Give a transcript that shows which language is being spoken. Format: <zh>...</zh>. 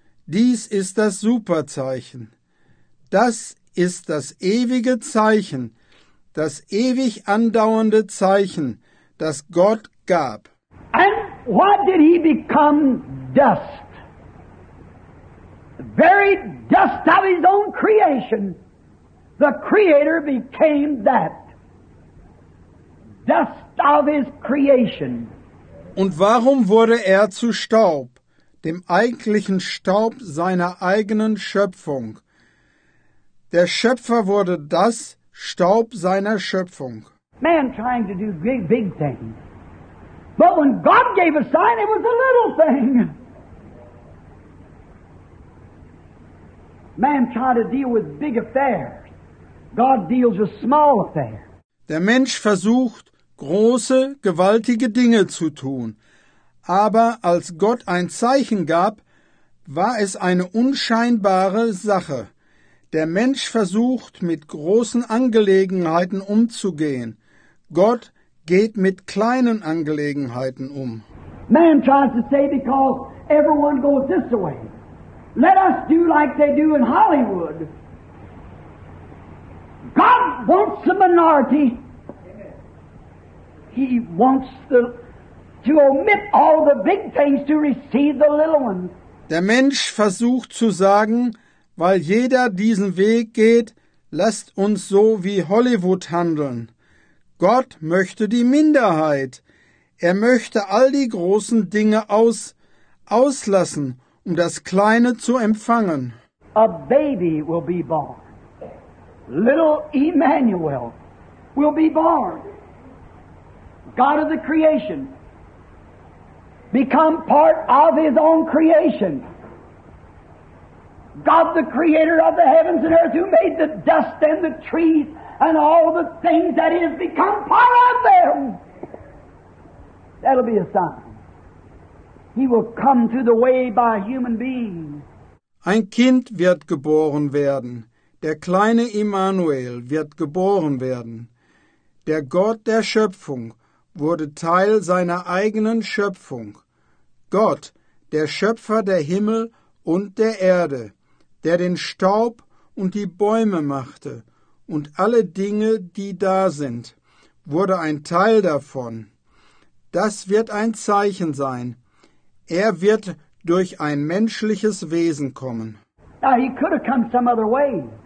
<de>Dies ist das Superzeichen. Das ist das ewige Zeichen, das ewig andauernde Zeichen, das Gott gab.</de> <en>And why did he become dust? The very dust of his own creation, the Creator became that. Dust of his creation.</en> <de>Und warum wurde er zu Staub, dem eigentlichen Staub seiner eigenen Schöpfung? Der Schöpfer wurde das Staub seiner Schöpfung.</de> <en>Man trying to do big, big things. But when God gave a sign, it was a little thing. Man trying to deal with big affairs. God deals with small affairs.</en> <de>Der Mensch versucht, große, gewaltige Dinge zu tun. Aber als Gott ein Zeichen gab, war es eine unscheinbare Sache. Der Mensch versucht, mit großen Angelegenheiten umzugehen. Gott geht mit kleinen Angelegenheiten um.</de> <en>Man tries to say, because everyone goes this way. Let us do like they do in Hollywood. God wants the minority. He wants to omit all the big things to receive the little ones.</en> <de>Der Mensch versucht zu sagen, weil jeder diesen Weg geht, lasst uns so wie Hollywood handeln. Gott möchte die Minderheit. Er möchte all die großen Dinge auslassen, um das Kleine zu empfangen.</de> <en>A baby will be born. Little Emmanuel will be born. God of the creation. Become part of his own creation. God, the creator of the heavens and earth, who made the dust and the trees and all the things that is, become part of them. That'll be a sign. He will come through the way by a human being.</en> <de>Ein Kind wird geboren werden. Der kleine Emmanuel wird geboren werden. Der Gott der Schöpfung wurde Teil seiner eigenen Schöpfung. Gott, der Schöpfer der Himmel und der Erde, der den Staub und die Bäume machte und alle Dinge, die da sind, wurde ein Teil davon. Das wird ein Zeichen sein. Er wird durch ein menschliches Wesen kommen.</de> <en>Now he could have come some other way.</en>